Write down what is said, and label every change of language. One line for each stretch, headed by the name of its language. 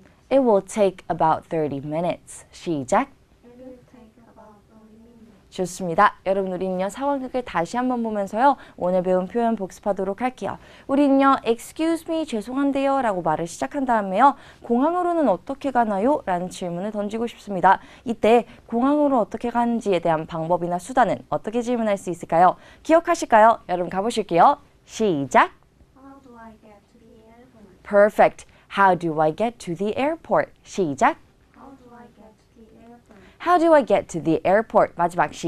English: It will take about 30 minutes.
Korean: 시작.
English: It will take about 30
Korean: minutes. 좋습니다. 여러분, 우리는요, 상황극을 다시 한번 보면서요, 오늘 배운 표현 복습하도록 할게요. 우리는요,
English: excuse me,
Korean: 죄송한데요, 라고 말을 시작한 다음에요, 공항으로는 어떻게 가나요? 라는 질문을 던지고 싶습니다. 이때 공항으로 어떻게 가는지에 대한 방법이나 수단은 어떻게 질문할 수 있을까요? 기억하실까요? 여러분, 가보실게요. 시작.
English: How do I get to the airport? Perfect. How do I get to the airport?
Korean: 시작.
English: How do I get to the airport? How do I get to the airport?
Korean: 마지막 시작.